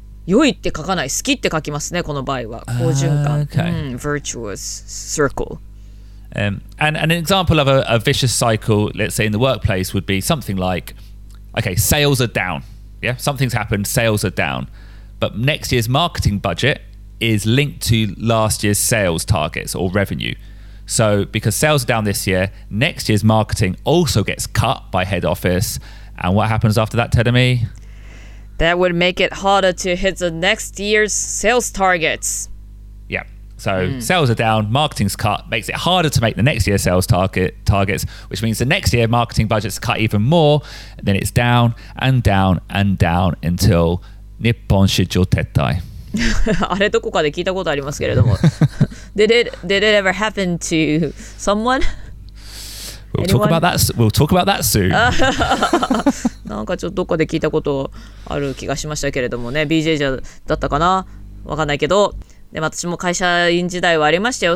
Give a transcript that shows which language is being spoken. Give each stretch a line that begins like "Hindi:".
Japanese: 良いって書かない、好きって書きますね、この場合は。好循環。
English: Virtuous circle. And an example of a vicious cycle, let's say in the workplace, would be something like, okay, sales are down. Yeah, something's happened, sales are down. But next year's marketing budget is linked to last year's sales targets or revenue. So because sales are down this year, next year's marketing also gets cut by head office. And what happens after that, Tedemi? That would make it harder to hit the next year's sales targets. Yeah. So sales are down, marketing's cut, makes it harder to make the next year's sales targets, which means the next year marketing budget's cut even more, then it's down and down and down until
Japanese: 日本市場撤退. あれどこかで聞いたことありますけれども。
English: Did it ever happen to someone? We'll talk about that soon.
Japanese: なんかちょっとどこで聞いたことある気がしましたけれどもね。 BJ だったかな?わかんないけど。でも私も会社員時代はありましたよ。